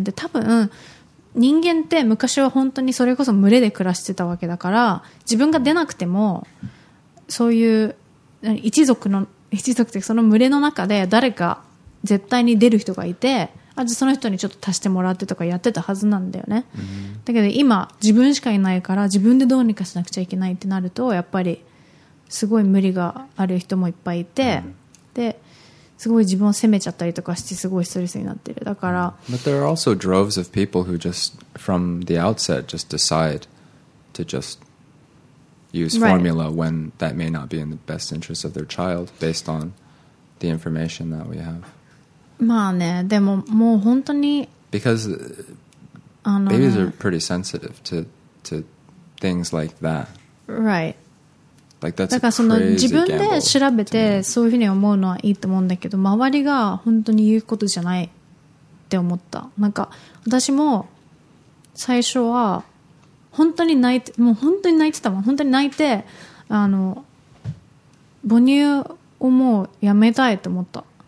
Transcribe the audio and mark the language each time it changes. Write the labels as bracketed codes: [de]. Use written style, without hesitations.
[ja] で、多分人間って昔は本当にそれこそ群れで暮らしてたわけだから、自分が出なくてもそういう一族ってその群れの中で誰か絶対に出る人がいて、あ、じゃあその人にちょっと足してもらってとかやってたはずなんだよね、だけど今自分しかいないから自分でどうにかしなくちゃいけないってなると、やっぱりすごい無理がある人もいっぱいいて、ですごい自分を責めちゃったりとかして、すごいストレスになってる。だから、 [en] But there are also droves of people who just from the outset just decide to just use formula when that may not be in the best interest of their child based on the information that we have. [ja] まあね、でももう本当に、 [en] Because babies are pretty sensitive to things like that. Right. Like、that's [ja] だからその自分で調べてそういうふうに思うのはいいと思うんだけど、周りが本当に言うことじゃないって思った。なんか私も最初は本当に泣いて、もう本当に泣いてたもん、本当に泣いて、あの母乳をもうやめたいと思った。